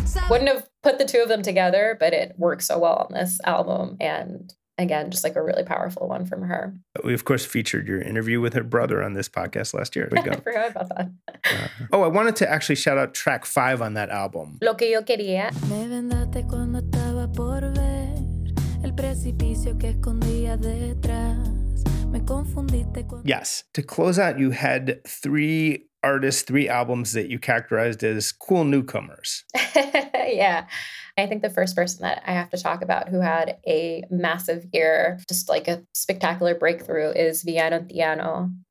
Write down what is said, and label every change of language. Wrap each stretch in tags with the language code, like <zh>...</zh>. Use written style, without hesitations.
<en>Wouldn't have put the two of them together, but it works so well on this album. And again, just like a really powerful one from her. We, of course, featured your interview with her brother on this podcast last year. There we go. I forgot about that. Oh, I wanted to actually shout out track 5 on that album.</en> <es>Lo que yo quería. Me vendaste cuando estaba por ver el precipicio que escondía detrás. Me confundiste cuando...</es> <en>Yes. To close out, you had 3 artists, 3 albums that you characterized as cool newcomers. Yeah. I think the first person that I have to talk about who had a massive year, just like a spectacular breakthrough, is Viana Thiano.</en>